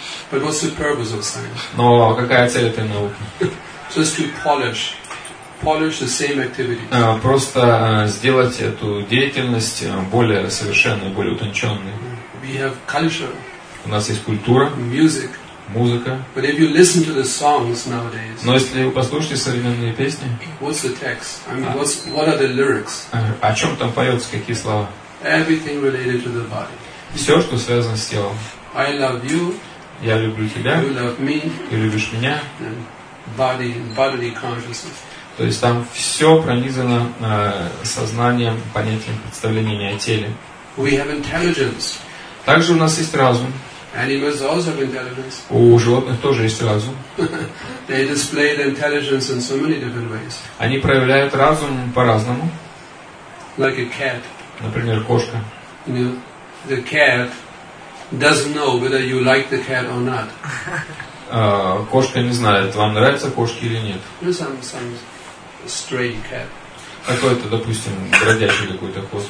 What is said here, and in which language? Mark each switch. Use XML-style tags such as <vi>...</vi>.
<en>But what's the purpose of science?</en> <ru>Но какая цель этой науки?</ru> <en>Just to polish. Polish the same activities.</en> <ru>Просто сделать эту деятельность более совершенной, более утонченной.</ru> <en>We have culture.</en> <ru>У нас есть культура.</ru> <en>Music.</en> <ru>Музыка.</ru> <en>But if you listen to the songs nowadays,</en> <ru>но если вы послушаете современные песни,</ru> <en>what's the text? I mean, what are the lyrics?</en> <ru>О чем там поется, какие слова?</ru> <en>Everything related to the body.</en> <ru>Все, что связано с телом.</ru> <en>I love you.</en> <ru>Я люблю тебя.</ru> <en>You love me.</en> <ru>Ты любишь меня.</ru> <en>Body, bodily consciousness.</en> <ru>То есть там все пронизано сознанием, понятием, представлениями о теле.</ru> <en>We have intelligence.</en> <ru>Также у нас есть разум.</ru> <en>Animals also have intelligence.</en> <ru>У животных тоже есть разум.</ru> <en>They display the intelligence in so many different ways.</en> <ru>Они проявляют разум по-разному.</ru> <en>Like a cat.</en> <ru>Например, кошка.</ru> <en>You know, the cat doesn't know whether you like the cat or not.</en> <ru>Кошка не знает, вам нравятся кошки или нет.</ru> <en>Some stray cat.</en> <ru>Какой-то, допустим, бродячий какой-то кот.</ru>